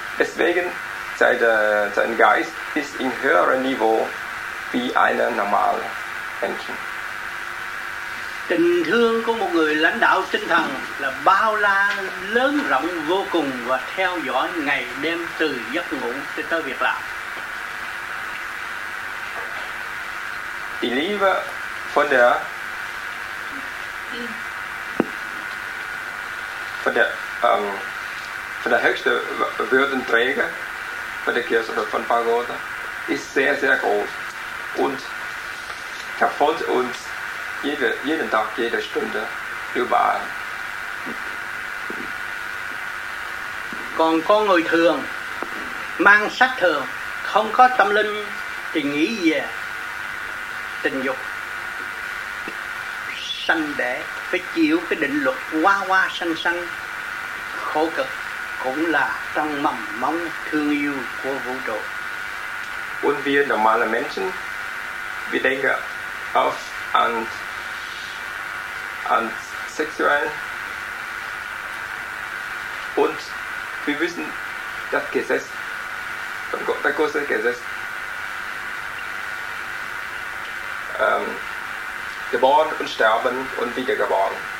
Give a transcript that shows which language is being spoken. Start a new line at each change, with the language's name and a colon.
German: Deswegen sein Geist ist in höherem Niveau wie einer normalen Menschen.
Vietnamese: Tình thương của một người lãnh đạo tinh thần là bao la, lớn rộng vô cùng và theo dõi ngày đêm từ giấc ngủ cho tới việc làm.
German: Die Liebe von der höchste Würdenträger von der Kirche oder von Pagoda ist sehr, sehr groß und verfolgt uns jeden Tag, jede Stunde, überall.
Vietnamese: Còn có người thường, mang sắc thường, không có tâm linh, thì nghĩ về tình dục, sanh đẻ, phải chịu cái định luật hoa hoa sanh sanh, khổ cực, cũng là trong mầm mống thương yêu của vũ trụ.
German: Und wir normale Menschen, wir denken auf an sexuellen und wir wissen das Gesetz, das große Gesetz, geboren und sterben und wiedergeboren.